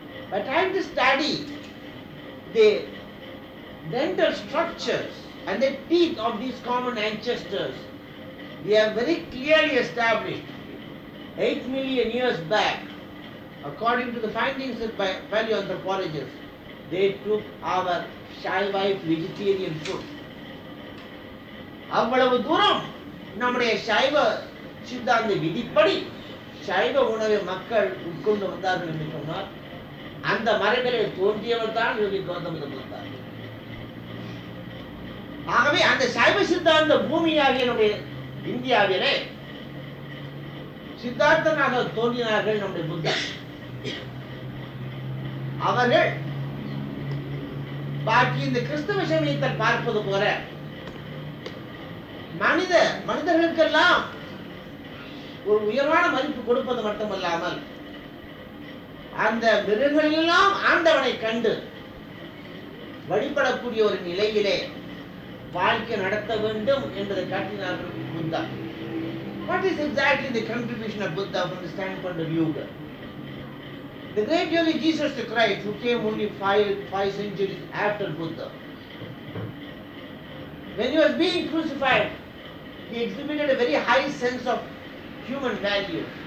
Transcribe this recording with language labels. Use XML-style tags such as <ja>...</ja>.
<en>By trying to study the dental structures and the teeth of these common ancestors, we have very clearly established 8 million years back, according to the findings of paleoanthropologists, they took our shaivite vegetarian food.</en> <ta>அவ்வளவு தூரம் நம்முடைய சைவ சித்தாந்த விதிப்படி சைவ உணவை மக்கள் உட்கொண்டு வந்தார்கள் என்று சொன்னால் அந்த மறைமலை தோன்றியவர் தான் யோகி கௌதம புத்தர். ஆகவே அந்த சைவ சித்தாந்த பூமியாகிய நம்முடைய இந்தியாவிலே சித்தார்த்தனாக தோன்றினார்கள் நம்முடைய புத்தர். அவர்கள் பாக்கி இந்த கிறிஸ்தவ சமயத்தை பார்ப்பது போல மனிதர்களுக்கெல்லாம் ஒரு உயர்வான மதிப்பு கொடுப்பது மட்டுமல்லாமல் அந்த மிருகங்களெல்லாம் ஆண்டவனை கண்டு வழிபடக்கூடிய ஒரு நிலையிலே வாழ்க்கை நடத்த வேண்டும் என்பதை காட்டினார்கள் Buddha.</ta> <en>What is exactly the contribution of Buddha from the standpoint of yoga? The great yogi Jesus the Christ, who came only five centuries after Buddha, when he was being crucified, he exhibited a very high sense of human value.</en>